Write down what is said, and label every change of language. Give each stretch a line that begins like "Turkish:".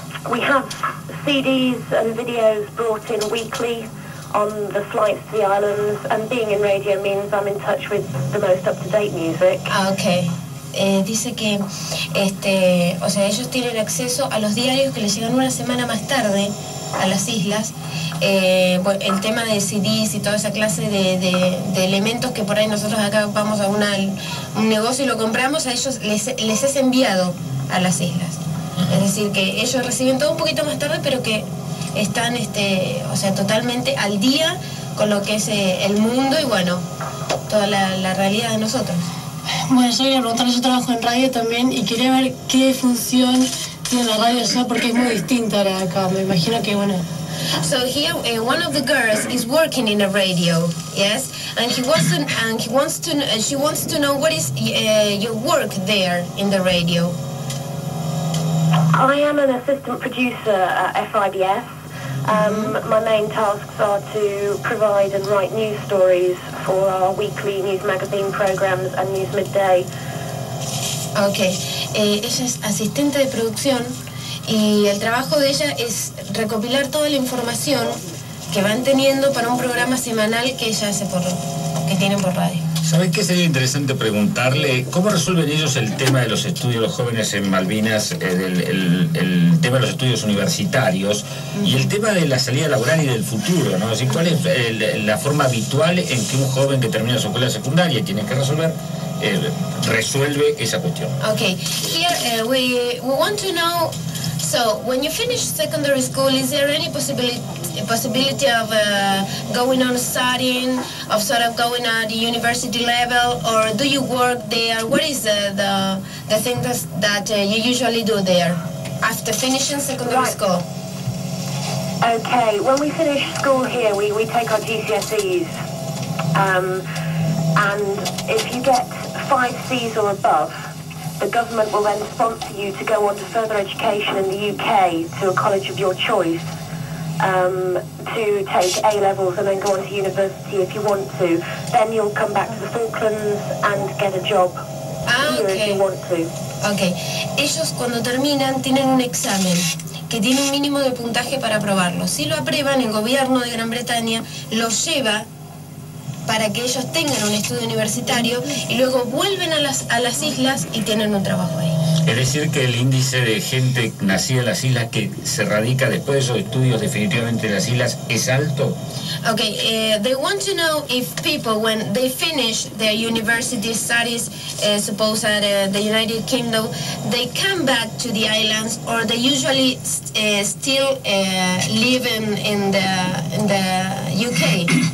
English: We have CDs and videos brought in weekly on the flights to the islands, and being in radio means I'm in touch with the most up-to-date music. Okay.
Spanish: Dice que o sea, ellos tienen acceso a los diarios que les llegan una semana más tarde a las islas. El tema de CDs y toda esa clase de elementos que por ahí nosotros acá vamos a un negocio y lo compramos, a ellos les es enviado a las islas. Es decir, que ellos reciben todo un poquito más tarde, pero que están o sea, totalmente al día con lo que es el mundo y bueno, toda la realidad de nosotros. Bueno, yo quería preguntarle, yo trabajo en radio también y quería ver qué función tiene la radio allá, porque es muy distinta a la de acá. Me imagino que, bueno.
English: So here, one of the girls is working in a radio, yes, and she wants to know what is your work there in the radio. I am an assistant producer at FIBS. My main tasks are to provide and write news stories for our weekly news magazine programs and News Midday.
Spanish: Okay, ella es asistente de producción. Y el trabajo de ella es recopilar toda la información que van teniendo para un programa semanal que ella hace que tienen por radio. ¿Sabes qué sería interesante preguntarle? ¿Cómo resuelven ellos el tema de los estudios, los jóvenes en Malvinas, el tema de los estudios universitarios, uh-huh, y el tema de la salida laboral y del futuro, ¿no? Así, ¿cuál es la forma habitual en que un joven que termina su escuela secundaria tiene que resolver? Resuelve esa cuestión.
English: Okay, here we want to know, so when you finish secondary school, is there any possibility of going on studying, of sort of going at university level, or do you work there? What is the thing that you usually do there after finishing secondary school? Okay, when we finish school here, we take our GCSEs, and if you get 5 C's or above, the government will then sponsor you to go on to further education in the UK to a college of your choice, to take A levels and then go on to university if you want to. Then you'll come back to the Falklands and get a job here if you want to. Okay.
Spanish: Ellos cuando terminan tienen un examen que tiene un mínimo de puntaje para aprobarlo. Si lo aprueban, el gobierno de Gran Bretaña los lleva para que ellos tengan un estudio universitario y luego vuelven a las islas y tienen un trabajo ahí. Es decir, que el índice de gente nacida en las islas que se radica después de esos estudios definitivamente en las islas es alto.
English: Okay, they want to know if people, when they finish their university studies, suppose at the United Kingdom, they come back to the islands, or they usually still live in the UK.